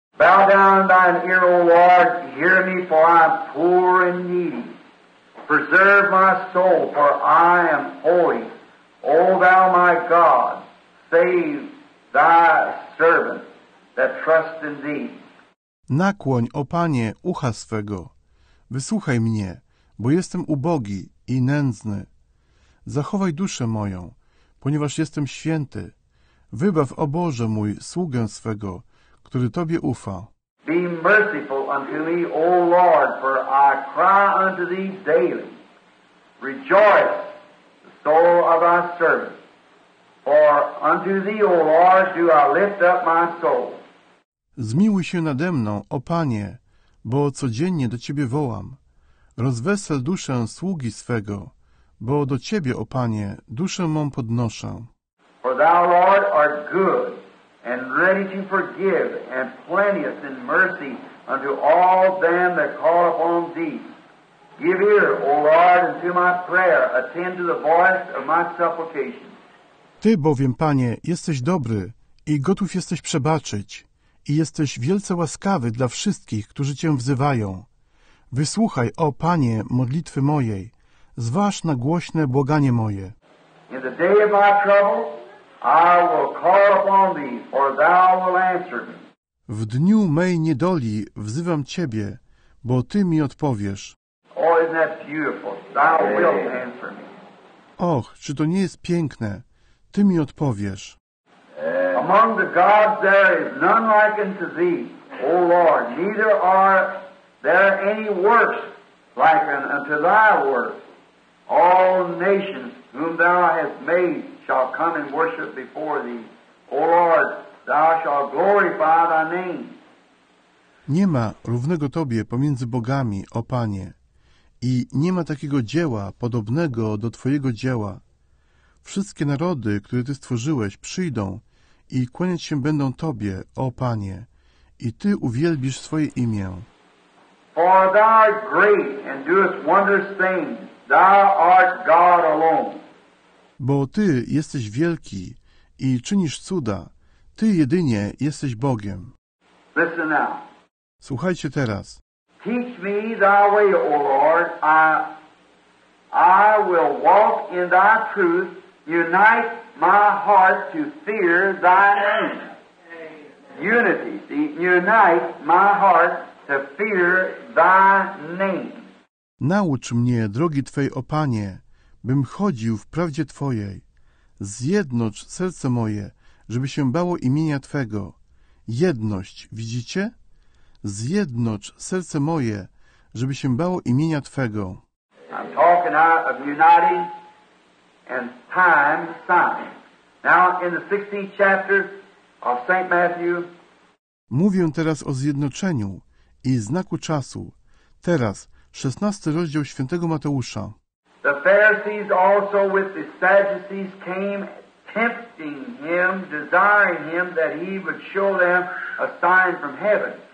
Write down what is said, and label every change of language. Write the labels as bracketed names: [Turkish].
[English] Bow down thine ear, O Lord, hear me, for I am poor and needy. Preserve my soul, for I am holy. O thou my God, save thy servant that trust in thee. [Polish] Nakłoń, o Panie, ucha swego. Wysłuchaj mnie, bo jestem ubogi i nędzny. Zachowaj duszę moją, ponieważ jestem święty. Wybaw, o Boże mój, sługę swego, który Tobie ufa. [English] Be merciful unto me, O Lord, for I cry unto Thee daily. Rejoice, the soul of Thy servant, for unto Thee, O Lord, do I lift up my soul. [Polish] Zmiłuj się nade mną, o Panie, bo codziennie do Ciebie wołam. Rozwesel duszę sługi swego, bo do Ciebie, o Panie, duszę mą podnoszę. [English] For Thou, Lord, art good, and ready to forgive, and plenteous in mercy unto all them that call upon Thee. Give ear, O Lord, unto my prayer, attend to the voice of my supplication. [Polish] Ty bowiem, Panie, jesteś dobry i gotów jesteś przebaczyć. I jesteś wielce łaskawy dla wszystkich, którzy Cię wzywają. Wysłuchaj, o Panie, modlitwy mojej. Zważ na głośne błaganie moje. [English] In the day of my trouble, I will call upon Thee, for Thou will answer me. [Polish] W dniu mej niedoli wzywam Ciebie, bo Ty mi odpowiesz. [English] Oh, isn't that beautiful? Thou wilt answer me. [Polish] Och, czy to nie jest piękne? Ty mi odpowiesz. [English] Among the gods there is none like unto thee, O Lord, neither are there any works like unto thy works. All nations whom thou hast made shall come and worship before thee. O Lord, thou shalt glorify thy name. [Polish] Nie ma równego Tobie pomiędzy bogami, o Panie, i nie ma takiego dzieła podobnego do Twojego dzieła. Wszystkie narody, które Ty stworzyłeś, przyjdą i kłaniać się będą Tobie, o Panie, i Ty uwielbisz swoje imię. [English] For Thou art great and doest wondrous things, Thou art God alone. [Polish] Bo Ty jesteś wielki i czynisz cuda. Ty jedynie jesteś Bogiem. [English] Listen now. [Polish] Słuchajcie teraz. [English] Teach me Thy way, O Lord. I will walk in Thy truth. Unite my heart to fear Thy name. Unity. See, unite my heart to fear Thy name. [Polish] Naucz mnie, drogi Twej, o Panie, bym chodził w prawdzie Twojej. Zjednocz serce moje, żeby się bało imienia Twego. Jedność, widzicie? Zjednocz serce moje, żeby się bało imienia Twego. [English] I'm talking of uniting and time signing. Now in the 16th chapter of St. Matthew. [Polish] Mówię teraz o zjednoczeniu i znaku czasu. Teraz, 16 rozdział świętego Mateusza. [English] The Pharisees also with the Sadducees came tempting him, desiring him that he would show them a sign from heaven.